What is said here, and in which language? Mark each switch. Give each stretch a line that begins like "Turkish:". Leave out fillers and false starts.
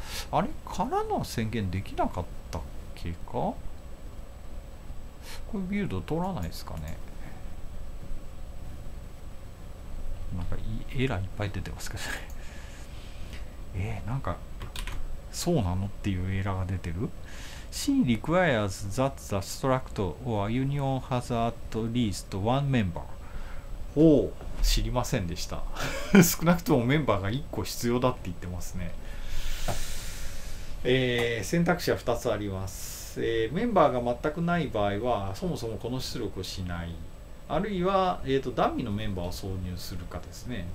Japanese: あれからの宣言できなかったっけか。これビルド通らないですかね。なんかエラーいっぱい出てますけどね。なんか、そうなのっていうエラーが出てる。
English: C requires that the struct or union has at least one member。
Japanese: おお、知りませんでした。少なくともメンバーが1個必要だって言ってますね。選択肢は2つあります、メンバーが全くない場合はそもそもこの出力をしない、あるいは、ダミーのメンバーを挿入するかですね。